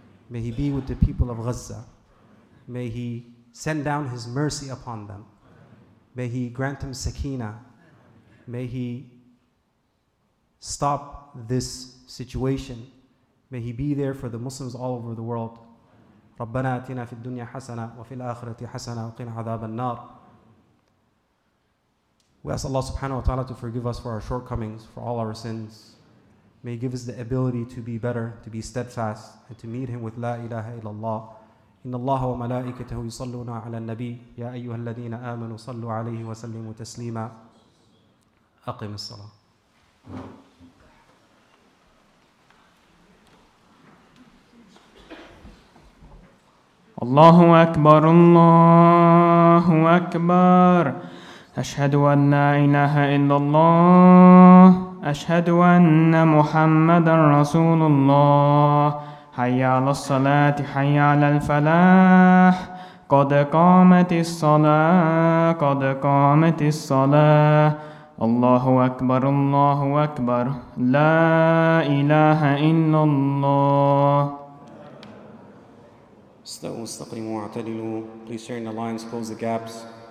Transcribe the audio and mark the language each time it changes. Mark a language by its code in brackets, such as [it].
[en] May he be with the people of Gaza. May he send down his mercy upon them. May he grant them Sakina. May he stop this situation. May he be there for the Muslims all over the world. [ar] ربنا آتنا في الدنيا حسنة وفي الآخرة حسنة وقنا عذاب النار. [en] We ask Allah subhanahu wa ta'ala to forgive us for our shortcomings, for all our sins. May he give us the ability to be better, to be steadfast, and to meet him with La ilaha illallah. [ar] إن الله وملائكته يصلون على النبي يا أيها الذين آمنوا صلوا عليه وسلموا تسليما. أقم الصلاة. الله أكبر الله أكبر أشهد أن لا إله إلا الله أشهد أن محمدا رسول الله حي على الصلاة حي على الفلاح قد قامت الصلاة قد قامت الصلاة الله أكبر الله أكبر لا إله إلا الله [en] Please turn the lines, close the gaps.